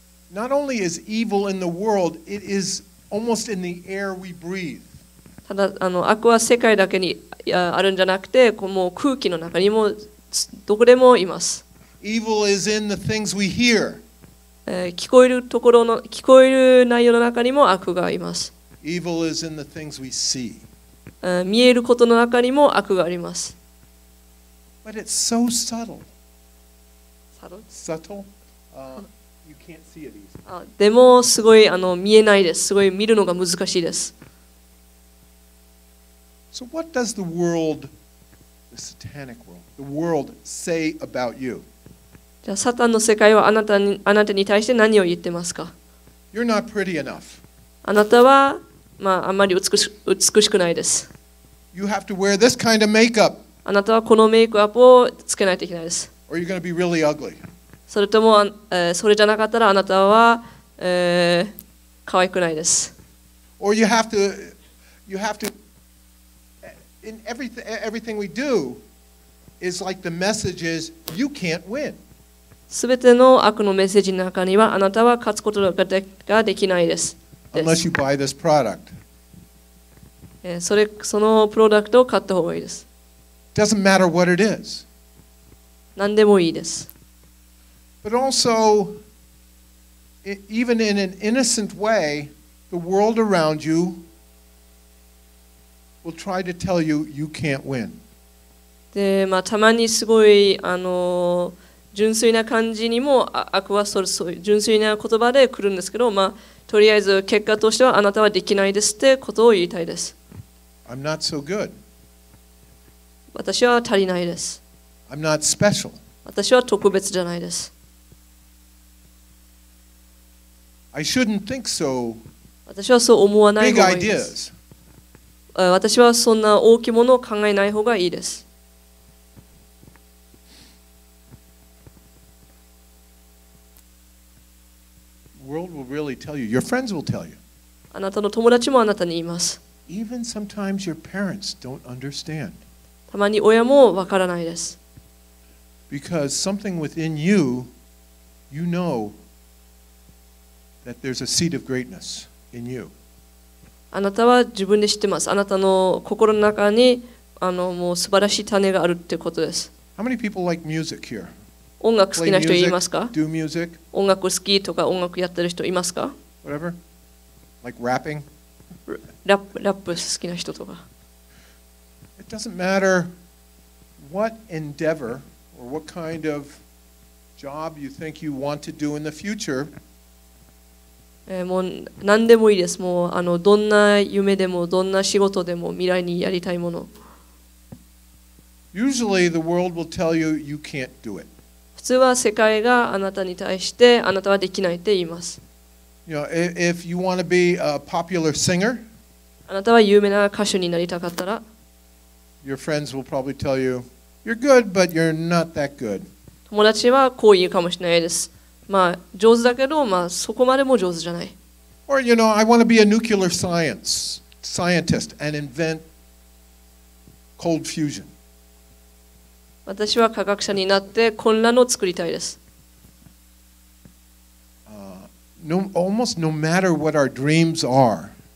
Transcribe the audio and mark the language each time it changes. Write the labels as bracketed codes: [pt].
[en] Not only is evil in the world, it is almost in the air we breathe. [ja] ただあの悪は世界だけにあるんじゃなくて、もう空気の中にもどこでもいます。 [en] Evil is in the things we hear. [ja] 聞こえるところの聞こえる内容の中にも悪がいます。 [en] Evil is in the things we see. [ja] 見えることの中にも悪があります。 [en] But it's so subtle. Subtle? You can't see it [ja] でもすごいあの見えないです。すごい見るのが難しいです。 [en] So what does the world, the satanic world, the world say about you? [ja] じゃあサタンの世界はあなたに対して何を言ってますか? [en] You're not pretty enough. [ja] あなたは、まあ、あまり美しくないです。 [en] You have to wear this kind of makeup. [ja] あなたはこのメイクアップをつけないといけないです。 [en] Or you're going to be really ugly. [ja] それとも、それじゃなかったらあなたは、可愛くないです。 [en] Or you have to, in everything we do, is like the message is, you can't win. [ja] すべての悪のメッセージの中には、あなたは勝つことができないです。 [en] Unless you buy this product. [ja] そのプロダクトを買った方がいいです。 [en] Doesn't matter what it is. [ja] 何でもいいです。 [en] But also, even in an innocent way, the world around you will try to tell you you can't win. [ja] で、まあ、たまにすごい、あの、純粋な感じにも、悪はそれ、そういう純粋な言葉で来るんですけど、まあ、とりあえず結果としてはあなたはできないですってことを言いたいです。 [en] I'm not so good. [ja] 私は足りないです。 [en] I'm not special. [ja] 私は特別じゃないです。 [en] I shouldn't think so. [ja] 私はそう思わない方がいいです。私はそんな大きいものを考えない方がいいです。 [en] World will really tell you. Your friends will tell you. [ja] あなたの友達もあなたに言います。 [en] Even sometimes your parents don't understand. [ja] たまに親もわからないです。 [en] Because something within you, you know. That there's a seed of greatness in you. [ja] あなたは自分で知ってます。あなたの心の中にあのもう素晴らしい種があるってことです。 [en] How many people like music here? [ja] 音楽好きな人いますか？ [en] Play music, do music. [ja] 音楽好きとか音楽やってる人いますか？ [en] Whatever. Like rapping. [ja] ラップ好きな人とか。 [en] It doesn't matter what endeavor or what kind of job you think you want to do in the future. [ja] もう何でもいいです。もうあのどんな夢でもどんな仕事でも未来にやりたいもの。 [en] Usually the world will tell you you can't do it. [ja] 普通は世界があなたに対してあなたはできないって言います。 [en] You know, if you want to be a popular singer, [ja] あなたは有名な歌手になりたかったら、 [en] your friends will probably tell you you're good, but you're not that good. [ja] 友達はこう言うかもしれないです。まあ、上手だけど、まあ、そこまでも上手じゃない。 [en] Or, you know, I want to be a nuclear science, scientist and invent cold fusion. [ja] 私は科学者になって、混乱を作りたいです。 [en] No, almost no matter what our dreams are,